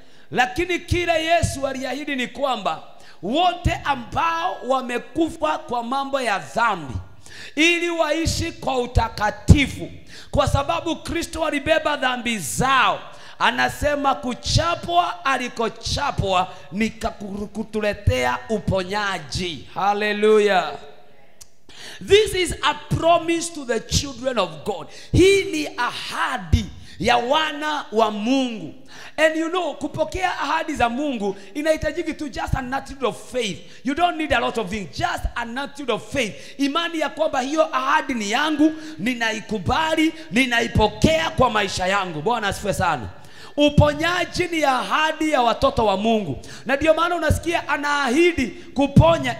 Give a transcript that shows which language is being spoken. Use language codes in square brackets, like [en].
[sw] Lakini kila Yesu aliahidi ni kwamba wote ambao wamekufa kwa mambo ya dhambi ili waishi kwa utakatifu, kwa sababu Kristo alibeba dhambi zao. Anasema kuchapwa alikochapwa nikakutuletea uponyaji. Hallelujah. [en] This is a promise to the children of God. [sw] Hii ni ahadi ya wana wa Mungu. [en] And you know, [sw] kupokea ahadi za Mungu inahitajiki tu [en] just an attitude of faith. You don't need a lot of things, just an attitude of faith. [sw] Imani ya kwamba hiyo ahadi ni yangu, ninaikubali, ninaipokea kwa maisha yangu. Bwana asifiwe sana. Uponyaji ni ahadi ya watoto wa Mungu. Na ndio maana unasikia anaahidi kuponya.